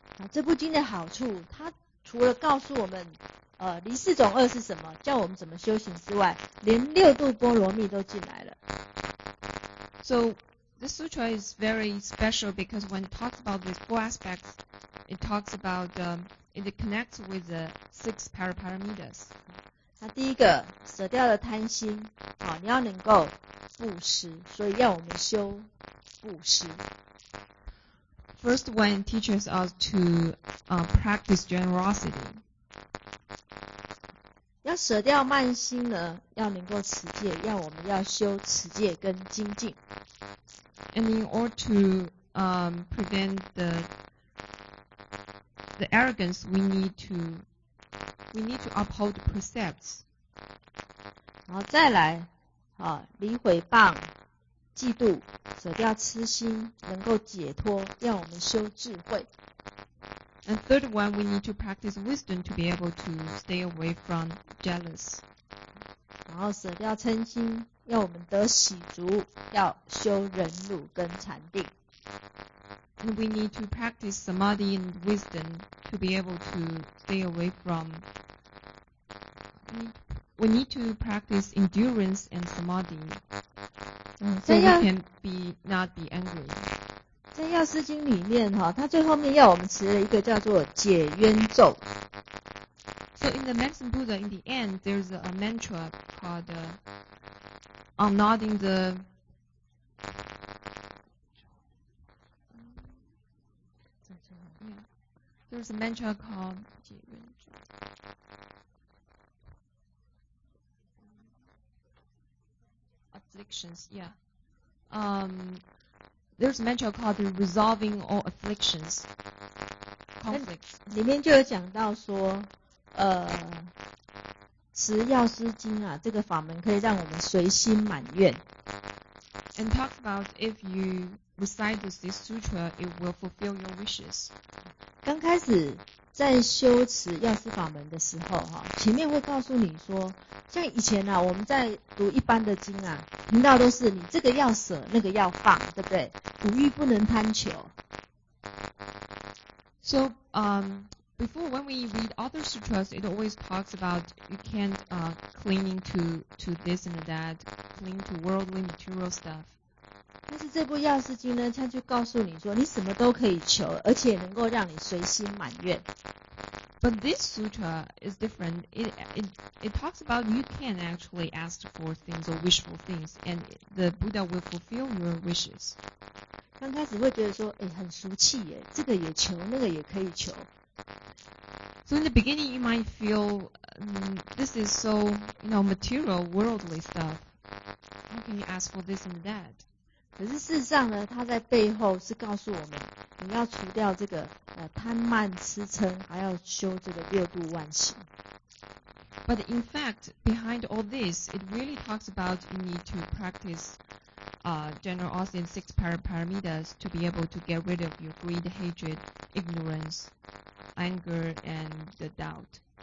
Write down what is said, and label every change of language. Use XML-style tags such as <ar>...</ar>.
<zh>这部经的好处，它除了告诉我们离四种恶是什么，叫我们怎么修行之外，连六度波罗蜜都进来了。</zh> <en>So this sutra is very special because when it talks about these four aspects. It talks about, it connects with the six paraparamitas.</en> <zh>那第一个，舍掉了贪心，好，你要能够布施，所以要我们修布施。</zh> <en>First one teaches us to, practice generosity.</en> <zh>要舍掉慢心呢，要能够持戒，要我们要修持戒跟精进。</zh> <en>And in order to, prevent the arrogance, we need to We need to uphold the precepts.</en> <zh>然后再来，离毁谤、嫉妒，舍掉痴心，能够解脱，让我们修智慧。</zh> <en>And third one, we need to practice wisdom to be able to stay away from jealous.</en> <zh>然后舍掉嗔心，让我们得喜足，要修忍辱跟禅定。</zh> <en>And we need to practice samadhi and wisdom to be able to stay away from. We need to practice endurance and samadhi, so we can not be angry.</en> <zh>在药师经里面哈，它最后面要我们持了一个叫做解冤咒。</zh> <en>So in the Maxim Buddha, in the end, there's a mantra called unknotting the. There's a mantra called. Afflictions, yeah. There's a mantra called resolving all afflictions, conflicts.</en> <zh>里面就有讲到说，持药师经啊，这个法门可以让我们随心满愿。</zh> <en>And talks about if you recite this sutra, it will fulfill your wishes.</en> <zh>刚开始在修持药师法门的时候，前面会告诉你说，像以前啊，我们在读一般的经啊，听到都是你这个要舍，那个要放，对不对？五欲不能贪求。</zh> <en>So, before when we read other sutras, it always talks about you can't clinging to this and that, cling to worldly material stuff.</en> <zh>但是这部药师经呢，它就告诉你说，你什么都可以求，而且能够让你随心满愿。</zh> <en>But this sutra is different. It talks about you can actually ask for things or wish for things, and the Buddha will fulfill your wishes.</en> <zh>刚开始会觉得说，很俗气耶，这个也求，那个也可以求。</zh> <en>So in the beginning, you might feel this is so, you know, material, worldly stuff. How can you ask for this and that?</en> <zh>可是事实上呢，它在背后是告诉我们，你要除掉这个贪慢痴嗔，还要修这个六度万行。</zh> <en>But in fact, behind all this, it really talks about you need to practice generosity and six paramitas to be able to get rid of your greed, hatred, ignorance, anger, and the doubt.</en>